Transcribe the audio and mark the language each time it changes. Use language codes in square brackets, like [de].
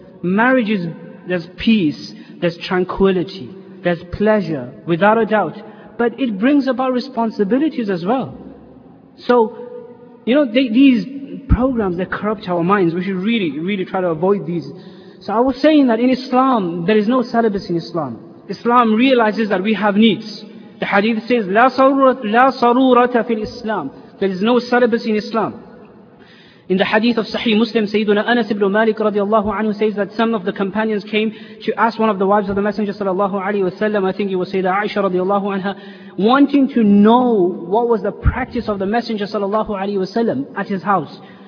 [en] Marriage is, there's peace, there's tranquility, there's pleasure, without a doubt. But it brings about responsibilities as well. So, you know, these programs that corrupt our minds, we should really, really try to avoid these. So I was saying that in Islam, there is no celibacy in Islam. Islam realizes that we have needs. The hadith says, [ar] لَا صَرُورَةَ فِي الْإِسْلَامِ. [en] There is no celibacy in Islam. In the hadith of Sahih Muslim, Sayyiduna Anas ibn Malik radiallahu anhu says that some of the companions came to ask one of the wives of the Messenger sallallahu alayhi wa sallam, I think it was Sayyida Aisha radiallahu anha, wanting to know what was the practice of the Messenger sallallahu alayhi wa sallam at his house.